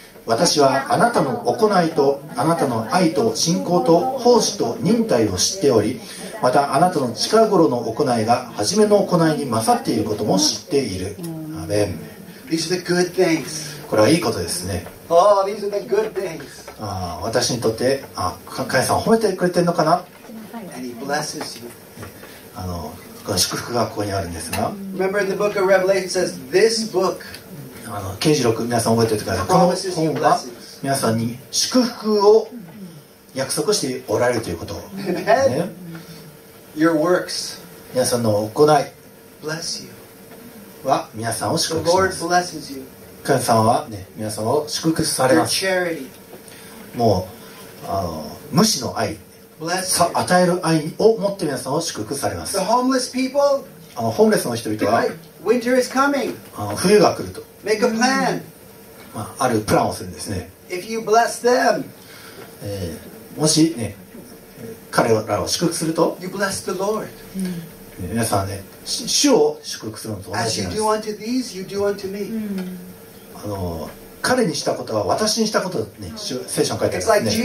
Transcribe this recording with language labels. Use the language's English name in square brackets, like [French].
[Japanese] 私はあなたの行いとあなたの愛と信仰と奉仕と忍耐を知っており、またあなたの近頃の行いが初めの行いに勝っていることも知っている。アメン。 [English] These are the good things. [Japanese] これはいいことですね。 [English] Oh, these are the good things. [Japanese] 私にとって神様は褒めてくれてるのかな。 [English] And he blesses you. [Japanese] この祝福がここにあるんですが、 [English] Remember in the book of Revelation says this book、 [Japanese] 啓示録皆さん覚えておいてください。この本が皆さんに祝福を約束しておられるということ、 [English] ね、your works. [Japanese] 皆さんの行い。 [English] Bless you. [Japanese] は皆さんを祝福します。 [English] The Lord blesses you. [Japanese] 神様はね、皆さんを祝福されます。 [English] Your charity. [Japanese] もう無私の愛。 [English] Bless [Japanese] you. 与える愛を持って皆さんを祝福されます。 [English] The homeless people. [Japanese] ホームレスの人々は。 [English] Winter is coming. [Japanese] 冬が来ると。 [English] Make a plan. [Japanese] あるプランをするんですね。 [English] If you bless them. [Japanese] もしね、彼らを祝福すると [English] you bless the Lord.、 [Japanese] ね、皆さんね、主を祝福するのと同じなんです。 [English] As you do unto these, you do unto me. [Japanese] 彼にしたことは私にしたことだと、ね、聖書に書いてあるんですね。